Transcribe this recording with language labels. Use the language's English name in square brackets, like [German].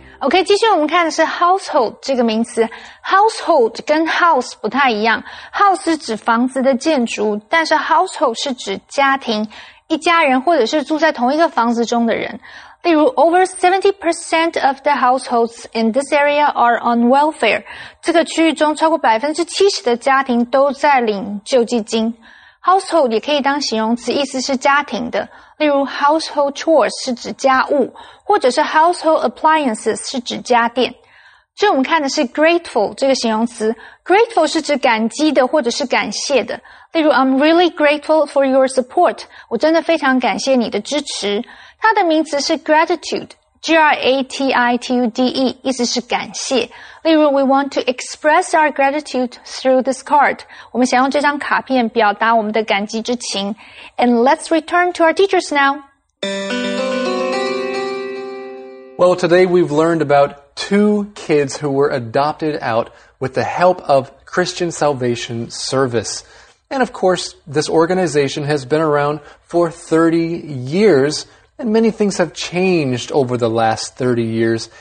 [Chinese] Okay, 继续我们看的是 household 这个名词。Household 跟 house 不太一样。 House 是指房子的建筑，但是 household 是指家庭，一家人或者是住在同一个房子中的人。 [English] 例如 over 70% of the households in this area are on welfare. [Chinese] 这个区域中超过 70% 的家庭都在领救济金。 Household 也可以当形容词，意思是家庭的。例如 household chores 是指家务，或者是 household appliances 是指家电。这我们看的是 grateful 这个形容词。Grateful 是指感激的或者是感谢的。 [English] 例如 I'm really grateful for your support. [Chinese] 我真的非常感谢你的支持。它的名词是 gratitude, G-R-A-T-I-T-U-D-E, 意思是感谢。 [English] 例如 we want to express our gratitude through this card. [Chinese] 我们想用这张卡片表达我们的感激之情。 [English] And let's return to our teachers now. Well, today we've learned about two kids who were adopted out with the help of Christian Salvation Service. And of course, this organization has been around for 30 years,And many things have changed over the last 30 years.